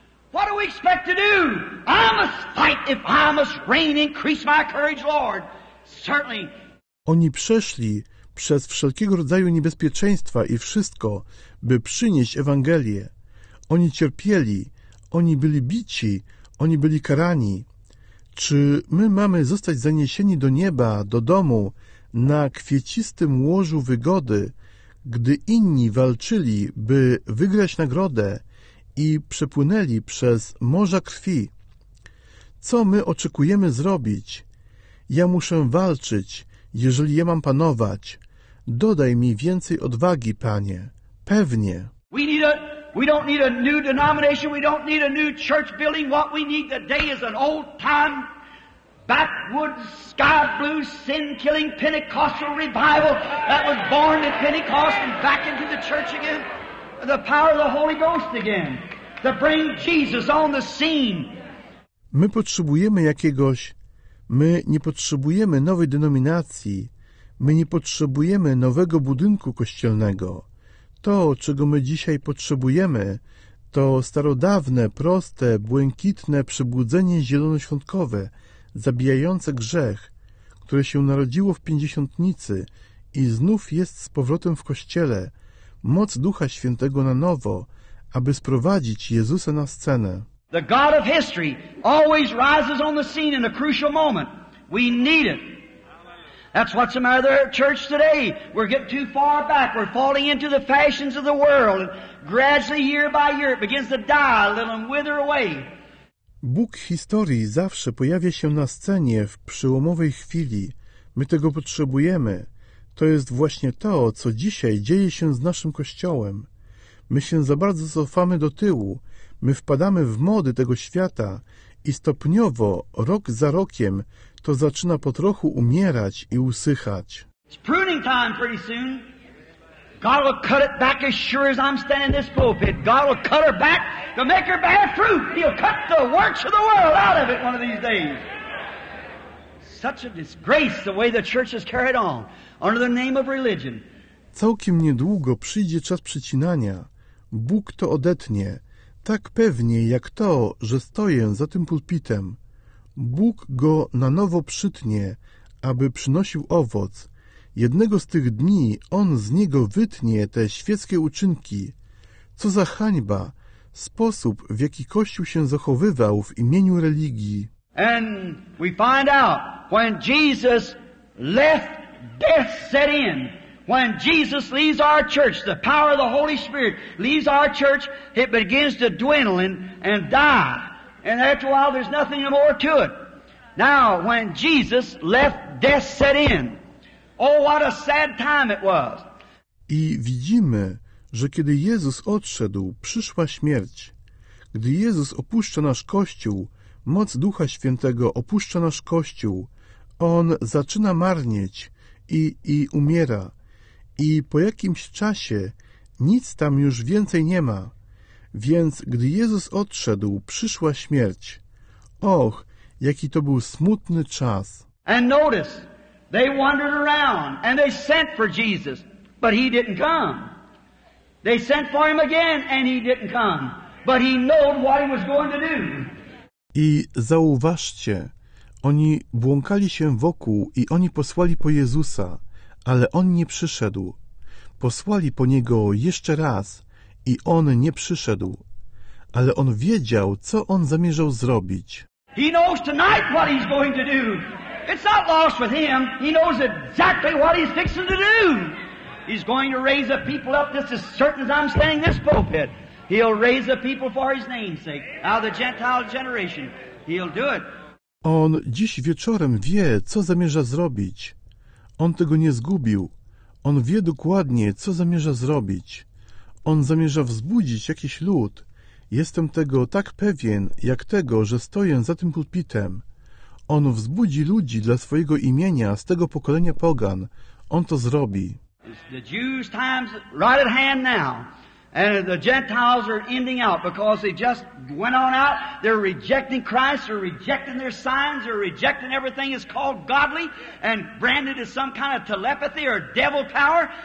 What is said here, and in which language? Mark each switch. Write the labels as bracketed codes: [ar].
[en] What do we expect to do? I must fight if I must reign. Increase my courage, Lord. Certainly. [pl] Oni przeszli przez wszelkiego rodzaju niebezpieczeństwa i wszystko, by przynieść Ewangelię. Oni cierpieli, oni byli bici, oni byli karani. Czy my mamy zostać zaniesieni do nieba, do domu, na kwiecistym łożu wygody, gdy inni walczyli, by wygrać nagrodę i przepłynęli przez morza krwi? Co my oczekujemy zrobić? Ja muszę walczyć, jeżeli ja mam panować. Dodaj mi więcej odwagi, Panie. Pewnie. [en] We don't need a new denomination. We don't need a new church building. What we need today is an old-time, backwoods, sky-blue, sin-killing Pentecostal revival that was born at Pentecost and back into the church again. The power of the Holy Ghost again. To bring Jesus on the scene. [pl] My potrzebujemy jakiegoś... My nie potrzebujemy nowej denominacji. My nie potrzebujemy nowego budynku kościelnego. To, czego my dzisiaj potrzebujemy, to starodawne, proste, błękitne przebudzenie zielonoświątkowe, zabijające grzech, które się narodziło w Pięćdziesiątnicy i znów jest z powrotem w Kościele, moc Ducha Świętego na nowo, aby sprowadzić Jezusa na scenę. [en] The God of history always rises on the scene in a crucial moment. We need it. That's what's the matter at church today. We're getting too far back. We're falling into the fashions of the world. And gradually, year by year, it begins to die a little and wither away. [pl] Bóg historii zawsze pojawia się na scenie w przełomowej chwili. My tego potrzebujemy. To jest właśnie to, co dzisiaj dzieje się z naszym Kościołem. My się za bardzo cofamy do tyłu. My wpadamy w mody tego świata i stopniowo, rok za rokiem, to zaczyna po trochu umierać i usychać. [en] It's pruning time pretty soon. God will cut it back as sure as I'm standing in this pulpit. God will cut her back to make her bear fruit. He'll cut the works of the world out of it one of these days. Such a disgrace the way the church is carried on under the name of religion. [pl] Całkiem niedługo przyjdzie czas przycinania. Bóg to odetnie. Tak pewnie jak to, że stoję za tym pulpitem. Bóg go na nowo przytnie, aby przynosił owoc. Jednego z tych dni on z niego wytnie te świeckie uczynki. Co za hańba, sposób, w jaki Kościół się zachowywał w imieniu religii. [en] And we find out, when Jesus left, death set in. When Jesus leaves our church, the power of the Holy Spirit leaves our church, it begins to dwindle and die. And after a while, there's nothing more to it. Now, when Jesus left, death set in. Oh, what a sad time it was. [pl] I widzimy, że kiedy Jezus odszedł, przyszła śmierć. Gdy Jezus opuszcza nasz Kościół, moc Ducha Świętego opuszcza nasz Kościół, On zaczyna marnieć i umiera. I po jakimś czasie nic tam już więcej nie ma. Więc gdy Jezus odszedł, przyszła śmierć. Och, jaki to był smutny czas. [en] And notice, they wandered around and they sent for Jesus, but he didn't come. They sent for him again and he didn't come, but he knew what he was going to do. [pl] I zauważcie, oni błąkali się wokół i oni posłali po Jezusa. Ale on nie przyszedł. Posłali po niego jeszcze raz i on nie przyszedł. Ale on wiedział, co on zamierzał zrobić. [en] He knows tonight what he's going to do. It's not lost with him. He knows exactly what he's fixing to do. He's going to raise a people up. This is certain as I'm standing this pulpit. He'll raise a people for his name's sake. Out of the Gentile generation. He'll do it. [pl] On dziś wieczorem wie, co zamierza zrobić. On tego nie zgubił. On wie dokładnie, co zamierza zrobić. On zamierza wzbudzić jakiś lud. Jestem tego tak pewien, jak tego, że stoję za tym pulpitem. On wzbudzi ludzi dla swojego imienia z tego pokolenia pogan. On to zrobi. [en] The Jews' time's right at hand now. And the Gentiles are ending out because they just went on out. They're rejecting Christ. They're rejecting their signs. They're rejecting everything that's called godly and branded as some kind of telepathy or devil power.